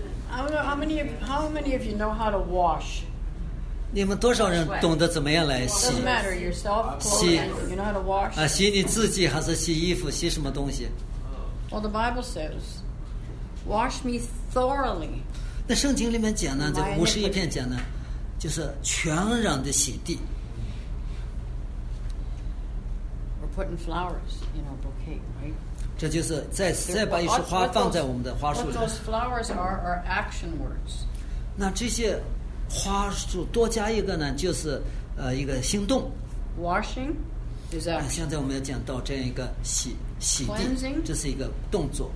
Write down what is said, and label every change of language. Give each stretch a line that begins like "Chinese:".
English: How many of you know how to wash?
Chinese: 你们多少人懂得怎么样来洗？
English: Doesn't matter yourself.
Chinese: 洗，
English: you know how to wash?
Chinese: 洗你自己还是洗衣服？洗什么东西？
English: Well, the Bible says, "Wash me thoroughly."
Chinese: 那圣经里面讲呢，这五十一篇讲呢，就是全然的洗涤。
English: We're putting flowers in our bouquet, right?
Chinese: 这就是再把一束花放在我们的花束里。
English: What those flowers are action words.
Chinese: 那这些花束多加一个呢，就是一个行动。
English: Washing is action.
Chinese: 现在我们要讲到这样一个洗涤，这是一个动作。